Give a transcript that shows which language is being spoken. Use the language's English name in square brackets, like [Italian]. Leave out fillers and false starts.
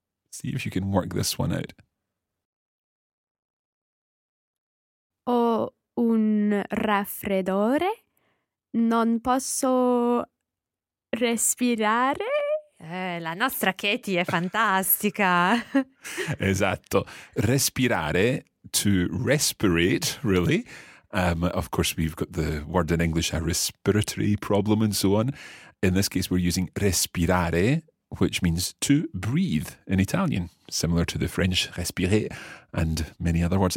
[English] See if you can work this one out. [Italian] Un raffreddore, non posso respirare. La nostra Katie è fantastica. Esatto. [English] Respirare, to respirate, really. Of course, we've got the word in English, a respiratory problem and so on. In this case, we're using respirare, which means to breathe in Italian, similar to the French respirer and many other words.